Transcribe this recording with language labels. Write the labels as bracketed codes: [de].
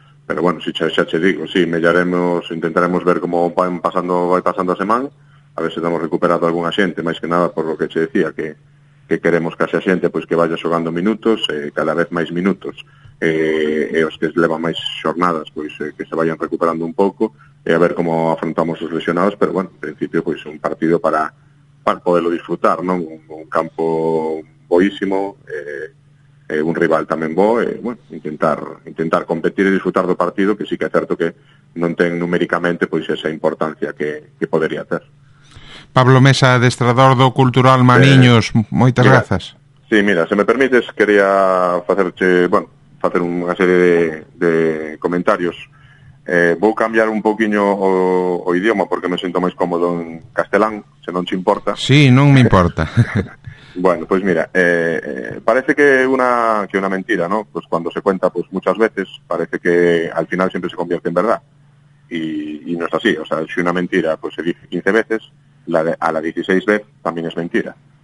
[gl] Pero bueno, si xa che digo, si mellaremos, intentaremos ver como vai pasando a semana, a ver se estamos recuperado alguna xente, máis que nada por lo que che decía, que queremos que a xente pois que vaya xogando minutos, cada vez máis minutos, e os que levan máis xornadas pois que se vayan recuperando un pouco, e a ver como afrontamos os lesionados. Pero bueno, en principio pois un partido para poderlo disfrutar, non? Un campo boísimo, un rival tamén bo, bueno, intentar competir e disfrutar do partido, que sí que é certo que non ten numéricamente pois esa importancia que podería ter. Pablo Mesa, adestrador do Cultural Maniños, moitas grazas. Sí, mira, se me permites, quería facer unha serie de comentarios Vou cambiar un poquinho o idioma porque me sinto máis cómodo en castelán, se non te importa. Sí, non me importa. [es] Bueno, pues mira, parece que una mentira, ¿no? Pues cuando se cuenta, pues muchas veces parece que al final siempre se convierte en verdad. Y no es así. O sea, si una mentira pues se dice 15 veces, a la 16 vez también es mentira.